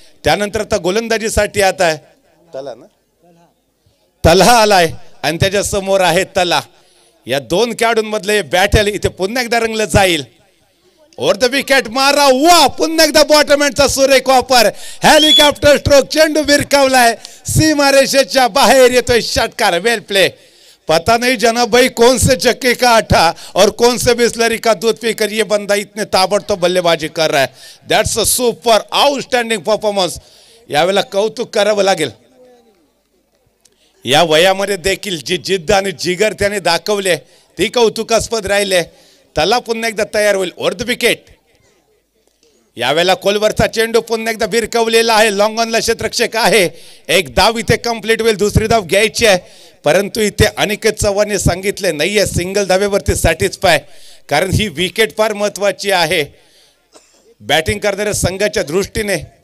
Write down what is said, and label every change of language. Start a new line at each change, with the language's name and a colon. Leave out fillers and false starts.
Marathi: त्यानंतर आता गोलंदाजीसाठी आता आहे तलहा आलाय आणि त्याच्या समोर आहे तला। या दोन खेळाडूंमधले बॅटल इथे पुन्हा एकदा रंगलं जाईल। ओवर द विकेट मारा, वा पुन्हा एकदा बॉटमॅनचा सुरेख वापर, हेलिकॉप्टर स्ट्रोक, चेंडू विरकावलाय सीमारेषेच्या बाहेर, येतोय षटकार, वेल प्ले।
Hindi: पता नहीं जना भाई कौन से चक्के का आटा और कौन से बिस्लरी का दूध पीकर ये बंदा इतने ताबड़तोड़ बल्लेबाजी कर रहा है।
English: that's a super outstanding performance,
Marathi: या वेला कौतुक करावं लागेल। या वयामध्ये देखील जी जिद्द आणि जिगर त्याने दाखवले ती कौतुकास्पद राहिले। त्याला पुन्हा एकदा तयार होईल ओर द विकेट। यावेळेला कोलवरचा चेंडू पुन्हा एकदा भिरकवलेला आहे, लॉंग ऑनला क्षेत्ररक्षक आहे। एक धाव इथे कंप्लीट होईल, दुसरी धाव घ्यायची आहे, परंतु इथे अनिकेत चव्हाणने सांगितले नाही आहे सिंगल धावेवरती सॅटिस्फाय, कारण ही विकेट फार महत्त्वाची आहे बॅटिंग करणाऱ्या संघाच्या दृष्टीने।